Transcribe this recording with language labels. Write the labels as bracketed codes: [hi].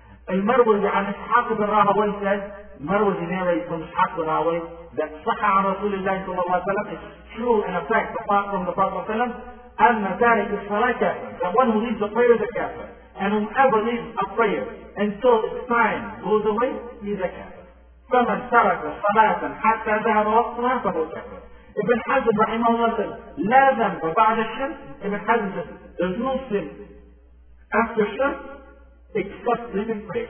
[ar] المروي عن إسحاق بن راهوي [en] said, المروي narrates from إسحاق بن راهوي that [ar] صح عن رسول الله صلى الله عليه وسلم, [en] it's true and a fact from the Prophet صلى الله عليه وسلم, [ar] أن تارك الصلاة كافر, [en] that one who leaves the prayer is a kafir, and whoever leaves a prayer until its time goes away, he's a kafir. [ar] فمن ترك صلاة حتى ذهب وقتها فهو كافر. [en] Ibn Hazm رحمه الله said, [ar] لا ذنب بعد الشمس. [en] Ibn Hazm said, there's no sin after الشمس, except leaving prayer.